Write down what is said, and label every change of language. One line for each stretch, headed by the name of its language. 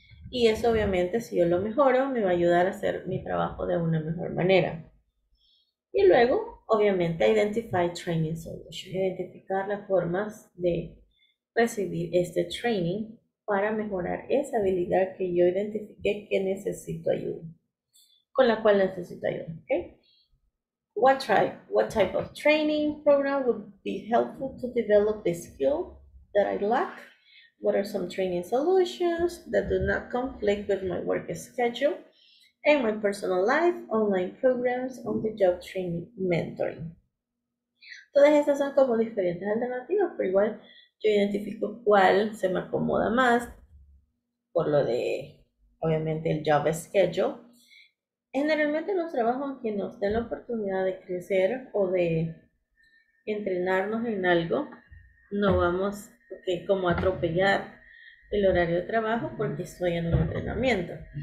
Spanish: Y eso obviamente, si yo lo mejoro, me va a ayudar a hacer mi trabajo de una mejor manera. Y luego, obviamente,
English: identify training solution.
Spanish: Identificar las formas de recibir este training para mejorar esa habilidad que yo identifique que necesito ayuda. Con la cual necesito ayuda, ¿ok?
English: What type of training program would be helpful to develop the skill that I lack? What are some training solutions that do not conflict with my work schedule and my personal life, online programs, on the job training, mentoring?
Spanish: Todas estas son como diferentes alternativas, pero igual yo identifico cuál se me acomoda más por lo de obviamente el job schedule. Generalmente los trabajos que nos den la oportunidad de crecer o de entrenarnos en algo, no vamos como a atropellar el horario de trabajo porque estoy en un entrenamiento.